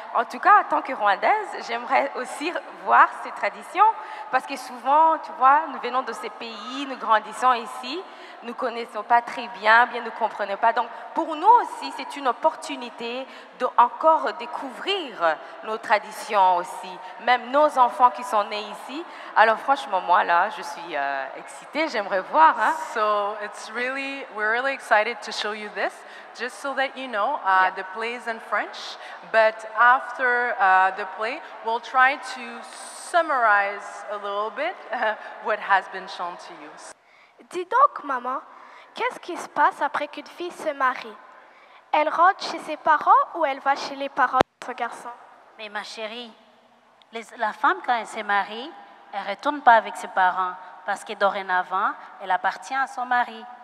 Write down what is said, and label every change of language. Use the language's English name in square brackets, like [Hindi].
[French] En tout cas, en tant que Rwandaise, j'aimerais aussi voir ces traditions parce que souvent, tu vois, nous venons de ces pays, nous grandissons ici, nous ne connaissons pas très bien, bien ne comprenons pas. Donc, pour nous aussi, c'est une opportunité d'encore découvrir nos traditions aussi, même nos enfants qui sont nés ici. Alors, franchement, moi, là, je suis excitée, j'aimerais voir. Hein? [English] So, it's really, we're really excited to show you this, just so that you know, the play is in French. But after the play, we'll try to summarize a little bit what has been shown to you. [French] Dis donc, maman, qu'est-ce qui se passe après qu'une fille se marie? Elle rentre chez ses parents ou elle va chez les parents de son garçon? Mais ma chérie, la femme, quand elle se marie, elle ne retourne pas avec ses parents parce que dorénavant, elle appartient à son mari.